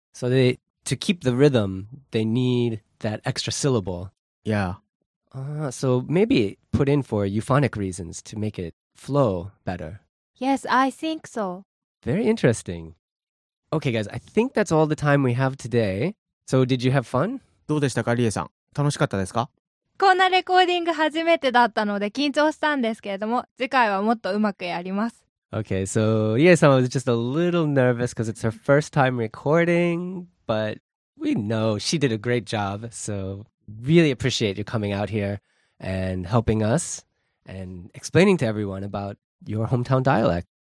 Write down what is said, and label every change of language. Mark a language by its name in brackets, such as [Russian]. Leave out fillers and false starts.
[English] So they, to keep the rhythm, they need that extra syllable. Yeah. So maybe put in for euphonic reasons to make it flow better. Yes, I think so. Very interesting. Okay, guys, I think that's all the time we have today. So did you have fun? [Japanese] どうでしたか、リエさん。楽しかったですか? こんなレコーディング初めてだったので緊張したんですけれども、次回はもっとうまくやります。 [English] Okay, so Rie-san was just a little nervous because it's her first time recording, but we know she did a great job, so really appreciate you coming out here and helping us and explaining to everyone about your hometown dialect.